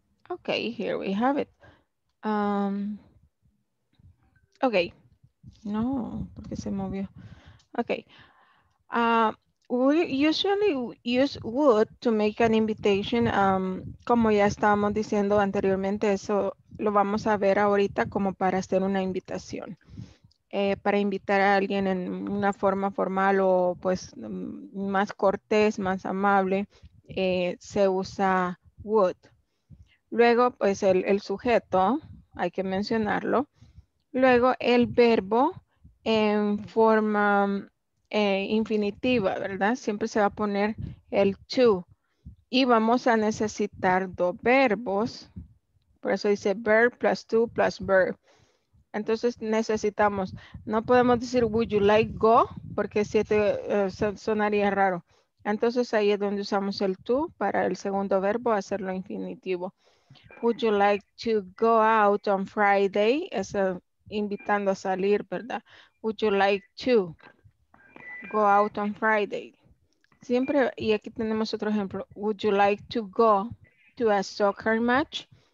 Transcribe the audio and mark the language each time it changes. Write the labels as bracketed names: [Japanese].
[English] Okay, here we have it. Okay. [Spanish] No, porque se movió. Okay. [English] We usually use would to make an invitation. [Spanish] Como ya estábamos diciendo anteriormente, eso lo vamos a ver ahorita como para hacer una invitación. Para invitar a alguien en una forma formal o pues más cortés, más amable, se usa would. Luego, pues el sujeto, hay que mencionarlo. Luego, el verbo en forma infinitiva, ¿verdad? Siempre se va a poner el to. Y vamos a necesitar dos verbos. Por eso dice verb plus to plus verb. Entonces necesitamos, no podemos decir [English] would you like go, [Spanish] porque siete sonaría raro. Entonces ahí es donde usamos el to para el segundo verbo, hacerlo infinitivo. [English] Would you like to go out on Friday? [Spanish] Es invitando a salir, ¿verdad? [English] Would you like to go out on Friday? [Spanish] Siempre, y aquí tenemos otro ejemplo. [English] Would you like to go to a soccer match?